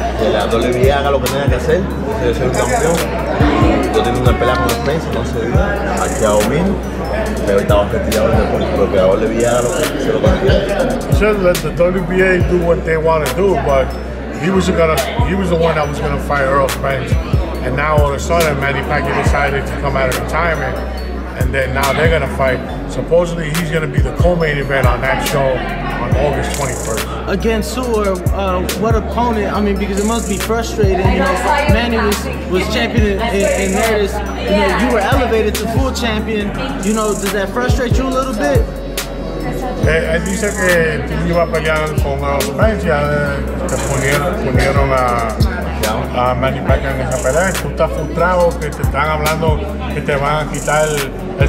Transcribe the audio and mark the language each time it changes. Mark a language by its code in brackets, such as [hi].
[es] la WBA haga lo que tenga que hacer, que sea un campeón. Yo tengo una pelea con Spence, no sé, Pacquiao mismo. [en] He said let the WBA do what they want to do, but he was the one that was gonna fight Errol Spence. And now all of a sudden Manny Pacquiao decided to come out of retirement, and then now they're gonna fight. Supposedly he's gonna be the co-main event on that show on August 21st. Against who, or what opponent? I mean, because it must be frustrating, you know. Manny was champion in Harris. You know, you were elevated to full champion. You know, does that frustrate you a little bit? [es] Él dice que tú iba a pelear con Errol Spence, ya te pusieron a Manny Pacquiao en esa pelea. ¿Tú estás frustrado que te están hablando que te van a quitar el